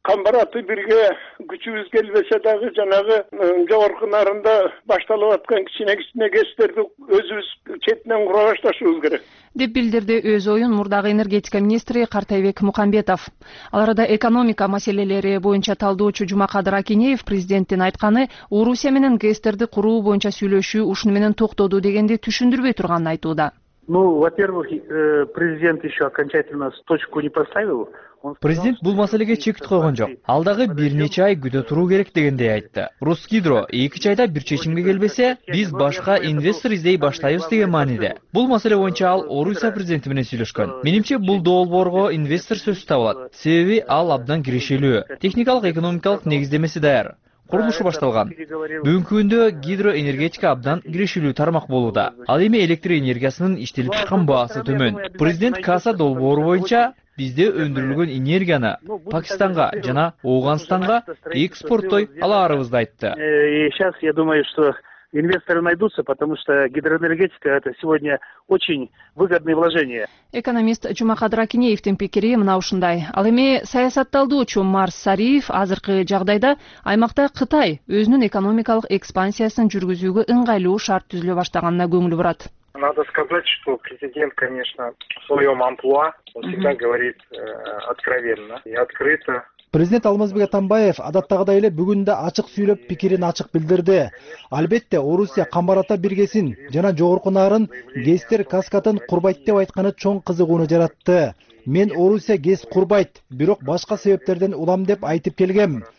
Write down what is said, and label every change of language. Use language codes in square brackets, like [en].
[ky] Камбараты бирге күчүбүз келбесе дагы жанагы жогорку нарында башталып аткан кичине кичине кесиптерди өзүбүз четинен кура башташыбыз керек. Деп билдирди өз оюн мурдагы энергетика министри Картайбек Мукамбетов. Ал арада экономика маселелери боюнча талдоочу Жумакадыр Акинеев президенттин айтканы Орусия менен гестерди куруу боюнча сүйлөшүү ушуну менен токтоду дегенди түшүндүрбөй турганын айтууда. [ru] Ну, во-первых, президент еще окончательно точку не поставил. [ky] Президент бул маселеге чекит койгон жок. Алдагы бир нече ай күтө туруу керек дегендей айтты. Росгидро 2 айда бир чечимге келбесе, биз башка инвестор издей баштайбыз деген мааниде. Бул маселе боюнча ал Орусия президенти менен сүйлөшкөн. Менимче бул долбоорго инвестор сөз таба алат. Себеби ал абдан кирешелүү. Техникалык экономикалык негиздемеси даяр. Курулушу башталган. Бүгүнкү күндө гидроэнергетика абдан кирешилүү тармак болууда. Ал эми электр энергиясынын иштелип чыккан баасы төмөн. Президент КАСА долбоору боюнча бизде өндүрүлгөн энергияны Пакистанга жана Ооганстанга экспорттой алаарыбызды айтты. [ru] Сейчас я думаю, что инвесторы найдутся, потому что гидроэнергетика это сегодня очень выгодное вложение. [ky] Экономист Жумакадыр Акинеевтин пикири мына ушундай. Ал эми саясат талдоочу Марс Сариев азыркы жагдайда аймакта Кытай өзүнүн экономикалык экспансиясын жүргүзүүгө ыңгайлуу шарт түзүлө баштаганына көңүл бурат. [ru] Надо сказать, что президент, конечно, в своем амплуа, он всегда говорит откровенно и открыто. [ky] Президент Алмазбек Атамбаев адаттагыдай эле бүгүн да ачык сүйлөп пикирин ачык билдирди. Албетте, Орусия камбарата биргесин жана жогорку нарын гестер каскатын курбайт деп айтканы чоң кызыгууну жаратты. Мен Орусия гес курбайт, бирок башка себептерден улам деп айтып келгем.